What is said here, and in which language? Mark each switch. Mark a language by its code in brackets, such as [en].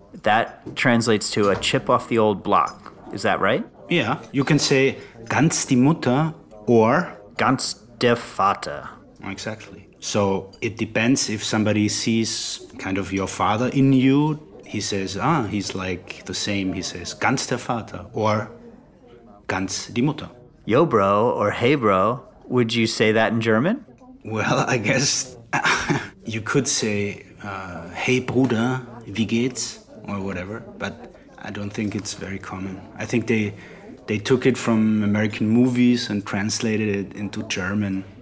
[en] That translates to a chip off the old block. Is that right? Yeah, you can say [de] ganz die Mutter [en] or... [de] Ganz der Vater. [en] Exactly. So it depends if somebody sees kind of your father in you. He says, he's like the same. He says [de] ganz der Vater [en] or [de] ganz die Mutter. [en] Yo, bro, or hey, bro. Would you say that in German? Well, I guess you could say, [de] hey Bruder, wie geht's? [en] Or whatever, but I don't think it's very common. I think they took it from American movies and translated it into German.